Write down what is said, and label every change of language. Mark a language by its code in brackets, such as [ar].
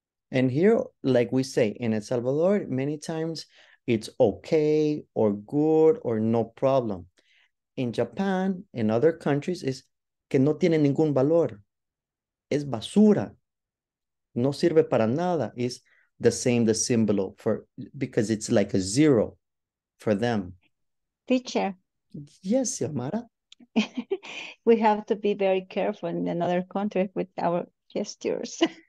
[en] And here, like we say in El Salvador, many times it's okay or good or no problem. In Japan, in other countries, is [es] que no tiene ningún valor. Es basura. No sirve para nada. [en] Is the same, the symbol for, because it's like a zero for them. Teacher. Yes, Yomara. We have to be very careful in another country with our gestures.